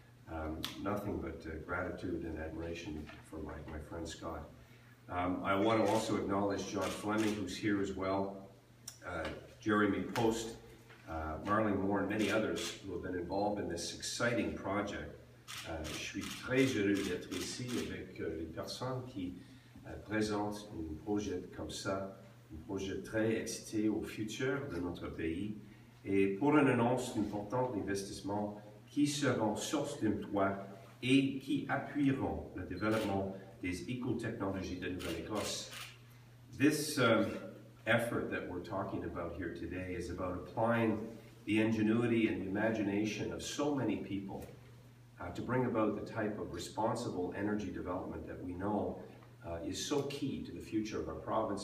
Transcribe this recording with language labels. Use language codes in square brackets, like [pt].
[en] And nothing but gratitude and admiration for my friend Scott. I want to also acknowledge John Fleming, who's here as well, Jeremy Post, Marlene Moore, and many others who have been involved in this exciting project. [fr] Je suis très heureux d'être ici avec les personnes qui présentent un projet comme ça Moi, je suis très excité au futur de notre pays et pour une annonce d'importants investissements qui seront source d'emploi et qui appuieront le développement des éco-technologies de Nouvelle-Écosse. [en] This effort that we're talking about here today is about applying the ingenuity and imagination of so many people to bring about the type of responsible energy development that we know is so key to the future of our province.